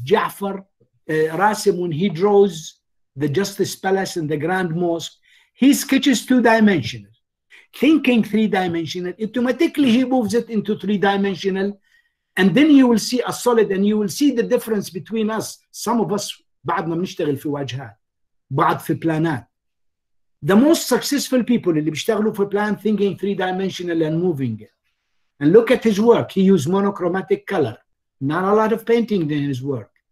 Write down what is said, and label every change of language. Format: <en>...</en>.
<en>Jafar, Rasim, when he draws the Justice Palace and the Grand Mosque, he sketches two-dimensional. Thinking three-dimensional, automatically he moves it into three-dimensional. And then you will see a solid, and you will see the difference between us. Some of us,</en> <ar>بعضنا بنشتغل في واجهات, بعض في planات.</ar> <en>The most successful people</en> <ar>اللي بيشتغلوا في</ar> <en>plan thinking three-dimensional and moving it. And look at his work. He used monochromatic color. Not a lot of painting in his work.</en>